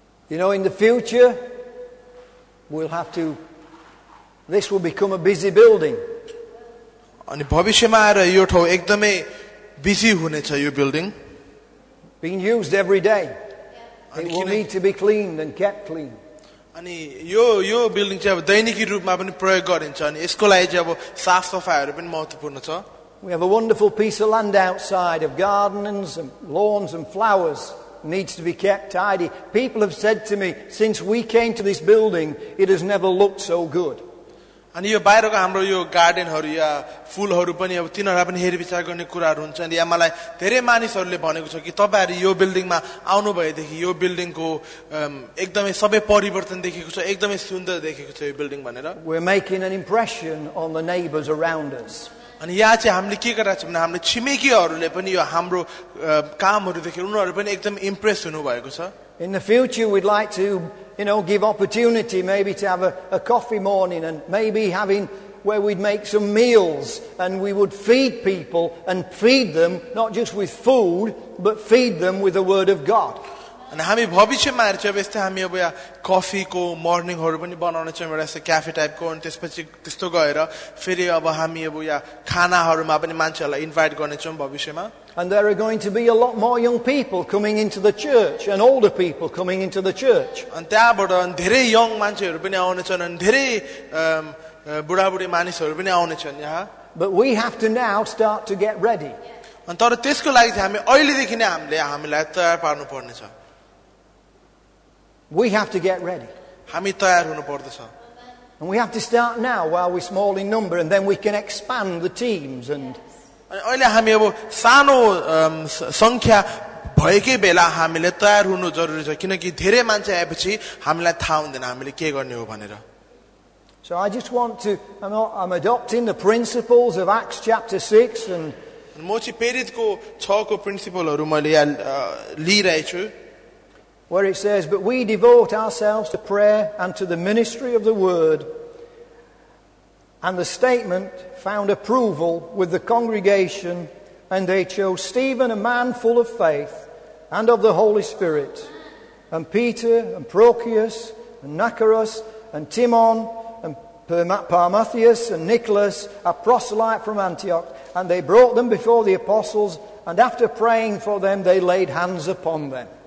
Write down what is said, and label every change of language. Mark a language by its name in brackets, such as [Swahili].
[English] You know, in the future we'll have to, this will become a busy building. [Nepali] अनि भविष्यमा आएर यो ठाउँ एकदमै बिजी हुनेछ. यो building [English] being used every day, it will need to be cleaned and kept clean. [Nepali] अनि यो बिल्डिङ चाहिँ अब दैनिकी रूपमा पनि प्रयोग गरिन्छ अनि यसको लागि चाहिँ अब साफ सफाइहरू पनि महत्त्वपूर्ण छ. [English] We have a wonderful piece of land outside of gardens and lawns and flowers. It needs to be kept tidy. People have said to me, since we came to this building, it has never looked so good. [Nepali] अनि यो बाहिरको हाम्रो यो गार्डनहरू या फुलहरू पनि अब तिनीहरूलाई पनि हेरविचार गर्ने कुराहरू हुन्छ. अनि या मलाई धेरै मानिसहरूले भनेको छ कि तपाईँहरू यो बिल्डिङमा आउनुभएदेखि यो बिल्डिङको एकदमै सबै परिवर्तन देखेको छ, एकदमै सुन्दर देखेको छ यो बिल्डिङ भनेर. [English] We're making an impression on the neighbors around us. [Nepali] अनि यहाँ चाहिँ हामीले के गरेका छौँ भने हाम्रो छिमेकीहरूले पनि यो हाम्रो कामहरू देखेर उनीहरू पनि एकदम इम्प्रेस हुनुभएको छ. [English] In the future we'd like to, you know, give opportunity maybe to have a coffee morning and maybe having where we'd make some meals and we would feed people and feed them not just with food but feed them with the word of God. [Nepali] अनि हामी भविष्यमा हेर्छ यस्तै हामी अब यहाँ कफीको मर्निङहरू पनि बनाउने छौँ एउटा यस्तो क्याफे टाइपको अनि त्यसपछि त्यस्तो गएर फेरि अब हामी अब यहाँ खानाहरूमा पनि मान्छेहरूलाई इन्भाइट गर्नेछौँ भविष्यमा. [English] And there are going to be a lot more young people coming into the church and older people coming into the church. [Nepali] अनि त्यहाँबाट धेरै यङ मान्छेहरू पनि आउनेछन् अनि धेरै बुढाबुढी मानिसहरू पनि आउनेछन् यहाँ. [English] But we have to now start to get ready. [Nepali] अनि तर त्यसको लागि चाहिँ हामी अहिलेदेखि नै हामीलाई तयार पार्नु पर्नेछ. [English] We have to get ready. [Nepali] हामी तयार हुनु पर्दछ. [English] And we have to start now while we're small in number and then we can expand the teams and [Nepali] अहिले हामी अब सानो संख्या भएकै बेला हामीले तयार हुनु जरुरी छ किनकि धेरै मान्छे आएपछि हामीलाई थाहा हुँदैन हामीले के गर्ने हो भनेर. [English] So I just want to, I'm adopting the principles of Acts chapter 6 and [Nepali] म चाहिँ प्रेरितको 6 को प्रिन्सिपलहरू मैले यहाँ लिइरहेछु. [English] Where it says, but we devote ourselves to prayer and to the ministry of the word, and the statement found approval with the congregation, and they chose Stephen, a man full of faith and of the Holy Spirit, and Peter, and Prochorus, and Nicanor, and Timon, and Parmenas, and Nicholas, a proselyte from Antioch, and they brought them before the apostles, and after praying for them, they laid hands upon them.